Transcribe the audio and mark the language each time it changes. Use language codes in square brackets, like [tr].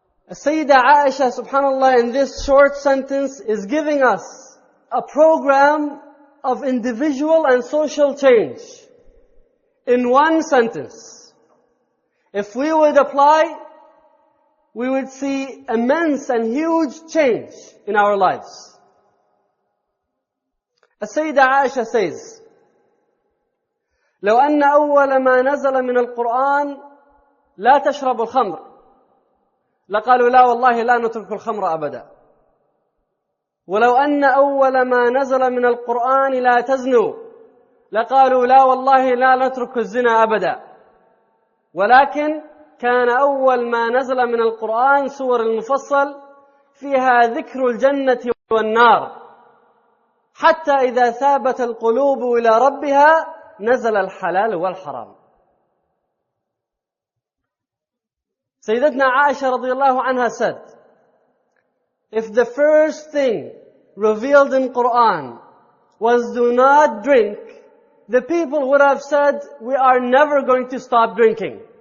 [en] Sayyida Aisha, subhanAllah, in this short sentence is giving us a program of individual and social change in one sentence. If we would apply, we would see immense and huge change in our lives. [ar] السيدة عائشة says, لو أن أول ما نزل من القرآن لا تشرب الخمر لقالوا لا والله لا نترك الخمر أبدا ولو أن أول ما نزل من القرآن لا تزنوا لقالوا لا والله لا نترك الزنا أبدا ولكن كان أول ما نزل من القرآن سور المفصل فيها ذكر الجنة والنار حتى إذا ثابت القلوب إلى ربها نزل الحلال والحرام. [en] سيدتنا عائشة [ar] رضي الله عنها [en] said, if the first thing revealed in Quran was do not drink, the people would have said, we are never going to stop drinking.